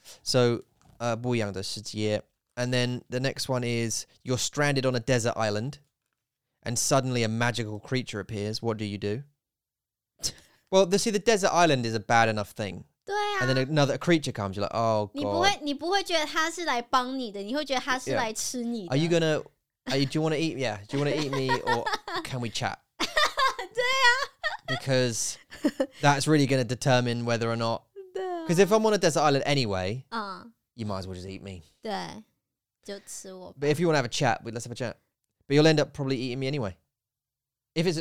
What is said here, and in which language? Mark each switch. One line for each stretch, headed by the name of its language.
Chinese: So, 不一样的世界。
English: And then the next one is, you're stranded on a desert island, and suddenly a magical creature appears. What do you do? Well, the desert island is a bad enough thing.
Chinese: 对啊。
English: And then another creature comes, you're like, oh, God.
Chinese: 你不会觉得他是来帮你的,你会觉得他是来吃你的。
English: Yeah. Do you want to eat? Yeah. Do you want to eat me, or can we chat?
Chinese: 对啊。
English: Because that's really going to determine whether or not... Because if I'm on a desert island anyway,、you might as well just eat me.
Chinese: 对就吃我
English: 吧 But if you want to have a chat, let's have a chat. But you'll end up probably eating me anyway. If it's...